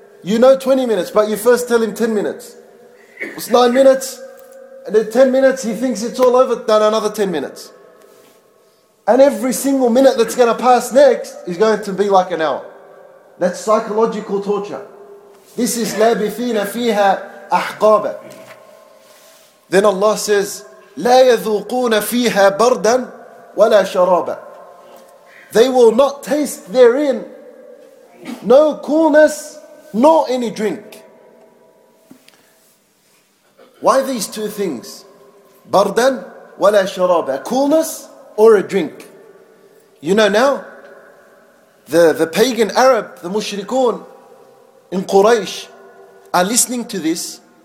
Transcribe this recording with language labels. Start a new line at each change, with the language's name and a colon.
English: You know 20 minutes, but you first tell him 10 minutes. It's 9 minutes. And at 10 minutes, he thinks it's all over, then another 10 minutes. And every single minute that's going to pass next is going to be like an hour. That's psychological torture. This is
Arabic: لَابِثِينَ فِيهَا أَحْقَابَ.
English: Then Allah says,
Arabic: لَا يَذُوقُونَ فِيهَا بَرْدًا وَلَا شَرَابًا.
English: They will not taste therein no coolness nor any drink. Why these two things? Bardan wala sharaba, coolness or a drink. You know now, the pagan Arab, the mushrikun in Quraysh, are listening to this.